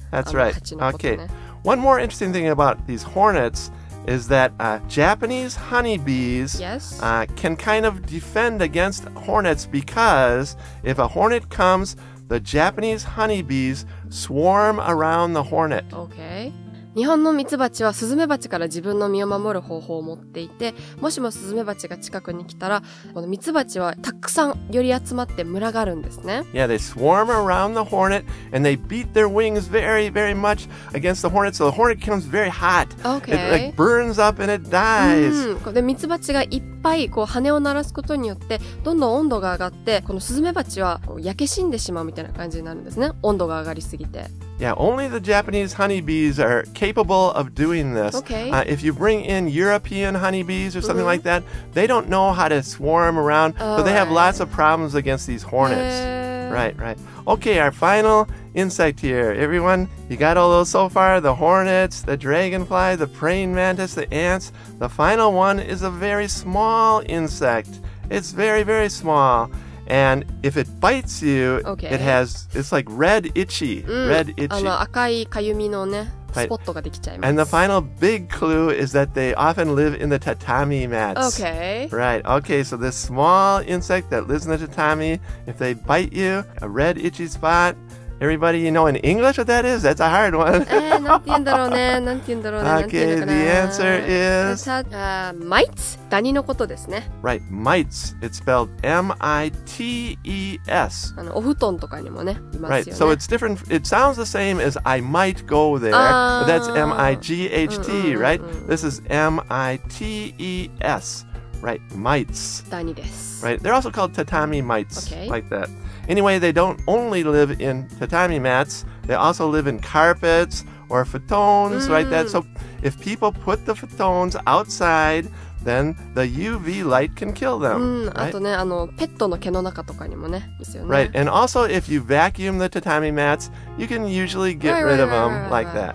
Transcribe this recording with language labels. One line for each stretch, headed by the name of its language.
English: That's right. Okay. One more interesting thing about these hornets... is that、Japanese honeybees、 yes. Can kind of defend against hornets because if a hornet comes, the Japanese honeybees swarm around the hornet. Okay.
Japanese: 日本のミツバチはスズメバチから自分の身を守る方法を持っていて、もしもスズメバチが近くに来たら、このミツバチはたくさん寄り集まって群がるんですね。
English: Yeah, they swarm around the hornet and they beat their wings very, very much against the hornet, so the hornet becomes very hot. Okay. It like burns up and it dies.
Japanese: で、ミツバチがいっぱいこう羽を鳴らすことによって、どんどん温度が上がって、このスズメバチは焼け死んでしまうみたいな感じになるんですね。温度が上がりすぎて。
English: Yeah, only the Japanese honeybees are capable of doing this. Okay. If you bring in European honeybees or something、mm-hmm. like that, they don't know how to swarm around, so、 right. they have lots of problems against these hornets.、Right, right. Okay, our final insect here. Everyone, you got all those so far? The hornets, the dragonfly, the praying mantis, the ants. The final one is a very small insect. It's very, very small. And if it bites you,、 okay. it's like red itchy,、 mm. red itchy.
Japanese: あの赤いかゆみのね、
English: right.
Japanese: スポットができちゃいます。
English: And the final big clue is that they often live in the tatami mats. Okay. Right. Okay, so this small insect that lives in the tatami, if they bite you, a red itchy spot, everybody, you know in English what that is? That's a hard one.
Japanese: なんて言うんだろうね、なんて言うんだろうね、
English: Okay, the answer is...
Japanese: mites? ダニのことですね。
English: Right, mites. It's spelled M-I-T-E-S.
Japanese: あのお布団とかにもね、いますよね。
English: Right, so it's different. It sounds the same as I might go there. But that's M-I-G-H-T, right? This is M-I-T-E-S. Right, mites.
Japanese: ダニです。
English: Right, they're also called tatami mites. Okay. Like that. Anyway, they don't only live in tatami mats. They also live in carpets or futons, right? That. So if people put the futons outside... Then the UV light can kill them.、 Right?
Japanese: あとね、あの、ペットの毛の中とかにもね、ですよね。
English: Right, and also if you vacuum the tatami mats, you can usually get rid of them like that.